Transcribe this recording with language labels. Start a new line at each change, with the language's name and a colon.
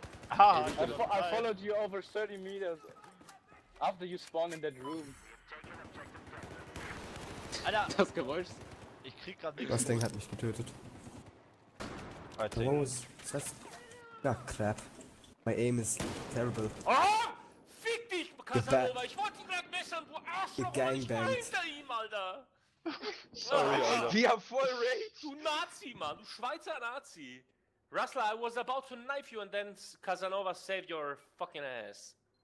English: Ah, I followed you over 30 meters after you spawned in that room.
German: Alter! Das Geräusch! Ich krieg grad nichts. Das Ding hat mich getötet. Was ist das?
English: Oh, crap. My aim is terrible.
German: Oh! Fick dich, Kasanova! Ich wollte ihn grad messern, du Arschloch! Ich war hinter ihm, Alter! Sorry, Alter. Wir haben voll Rage! Du Nazi, Mann! Du Schweizer Nazi!
English: Rustler, I was about to knife you and then Kasanova saved your fucking ass.